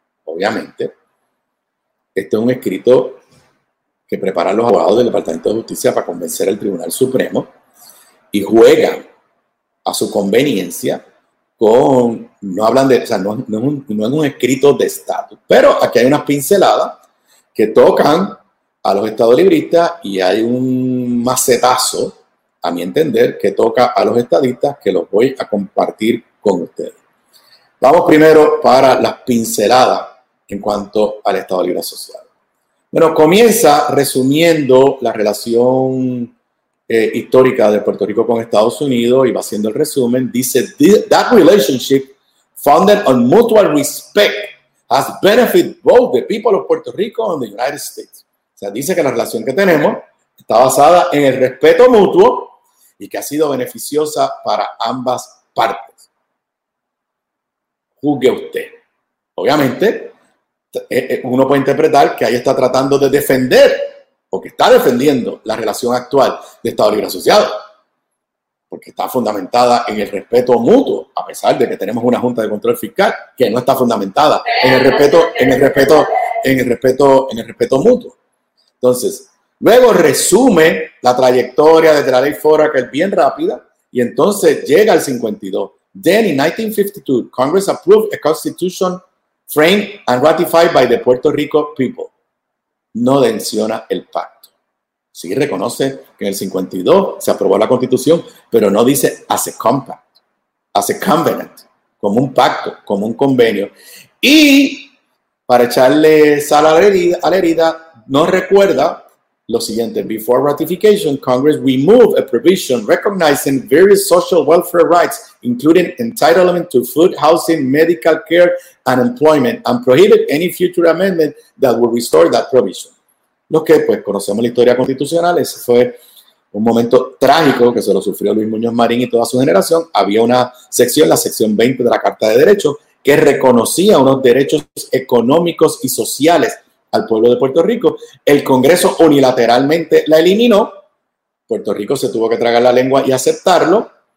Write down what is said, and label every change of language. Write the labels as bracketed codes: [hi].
[es] Obviamente, este es un escrito que preparan los abogados del Departamento de Justicia para convencer al Tribunal Supremo, y juegan a su conveniencia con, no hablan de, o sea, no es un escrito de estatus, pero aquí hay unas pinceladas que tocan a los estadolibristas, y hay un macetazo, a mi entender, que toca a los estadistas, que los voy a compartir con ustedes. Vamos primero para las pinceladas en cuanto al Estado Libre Asociado. Bueno, comienza resumiendo la relación histórica de Puerto Rico con Estados Unidos, y va haciendo el resumen. Dice, [en] that relationship founded on mutual respect has benefited both the people of Puerto Rico and the United States. [es] O sea, dice que la relación que tenemos está basada en el respeto mutuo y que ha sido beneficiosa para ambas partes. Juzgue usted. Obviamente, uno puede interpretar que ahí está tratando de defender, o que está defendiendo, la relación actual de Estado Libre Asociado. porque está fundamentada en el respeto mutuo, a pesar de que tenemos una Junta de Control Fiscal que no está fundamentada en el respeto mutuo. Entonces, luego resume la trayectoria desde la ley Foraker bien rápida y entonces llega al 52. [en] Then in 1952, Congress approved a constitution framed and ratified by the Puerto Rico people. [es] No menciona el pacto. Sí reconoce que en el 52 se aprobó la constitución, pero no dice [en] as a compact, as a covenant, [es] como un pacto, como un convenio. Y para echarle sal a la herida, no recuerda lo siguiente: [en] before ratification, Congress removed a provision recognizing various social welfare rights, including entitlement to food, housing, medical care, and employment, and prohibited any future amendment that would restore that provision. [es] Lo que, pues, conocemos la historia constitucional, ese fue un momento trágico que se lo sufrió Luis Muñoz Marín y toda su generación. Había una sección, la sección 20 de la Carta de Derechos, que reconocía unos derechos económicos y sociales al pueblo de Puerto Rico. El Congreso unilateralmente la eliminó. Puerto Rico se tuvo que tragar la lengua y aceptarlo.